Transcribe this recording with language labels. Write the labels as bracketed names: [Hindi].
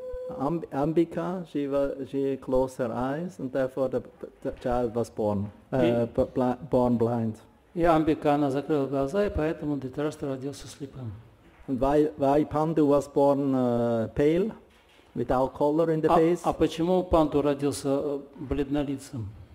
[English] Ambika, she closed her eyes, and therefore the child was born, born blind. [Russian] И Амбика, она закрыла глаза, и поэтому Дхритарашта родился слепым. [English] And why Pandu was born pale, without color in the face? [Russian] А почему Панду родился бледнолицым?